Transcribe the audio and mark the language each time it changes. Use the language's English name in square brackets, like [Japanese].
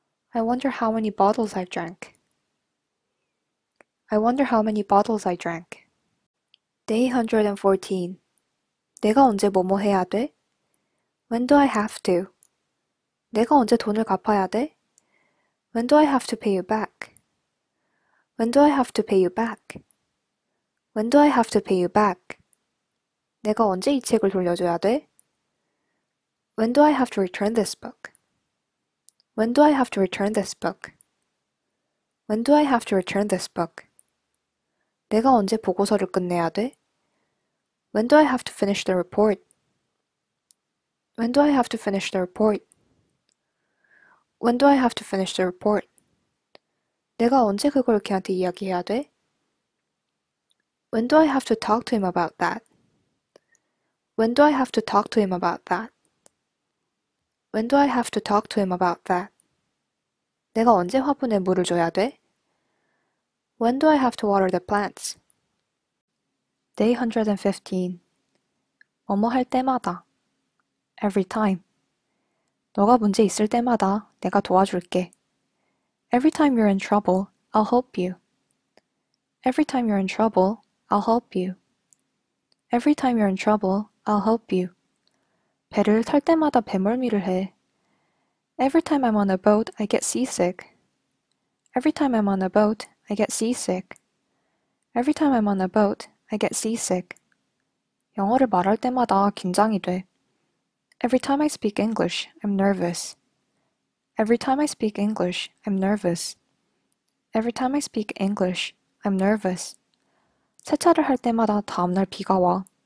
[English] I wonder how many bottles I've drank. I wonder how many bottles I drank. Day 114. [Korean] 내가 언제 뭐뭐 해야 돼? [English] When do I have to? [Korean] 내가 언제 돈을 갚아야 돼? [English] When do I have to pay you back? When do I have to pay you back? When do I have to pay you back? [Korean] 내가 언제 이 책을 돌려줘야 돼? [English] When do I have to return this book? When do I have to return this book? When do I have to return this book? [Korean] 내가 언제 보고서를 끝내야 돼? [English] When do I have to finish the report? When do I have to finish the report? When do I have to finish the report? [Korean] 내가 언제 그걸 걔한테 이야기해야 돼? [English] When do I have to talk to him about that? When do I have to talk to him about that? When do I have to talk to him about that? [Korean] 내가 언제 화분에 물을 줘야 돼? [English] When do I have to water the plants? Day 115. [Korean] 뭐뭐 할 때마다. [English] Every time. [Korean] 너가 문제 있을 때마다 내가 도와줄게. [English] Every time you're in trouble, I'll help you. Every time you're in trouble, I'll help you. Every time you're in trouble, I'll help you. [Korean] 배를 탈 때마다 배멀미를 해. [English] Every time I'm on a boat, I get seasick. Every time I'm on a boat, I get seasick. Every time I'm on a boat, I get seasick. [Korean] 영어를 말할 때마다 긴장이 돼. [English] Every time I speak English, I'm nervous. Every time I speak English, I'm nervous. Every time I speak English, I'm nervous. [Korean] 세차를 할 때마다 다음 날 비가 와.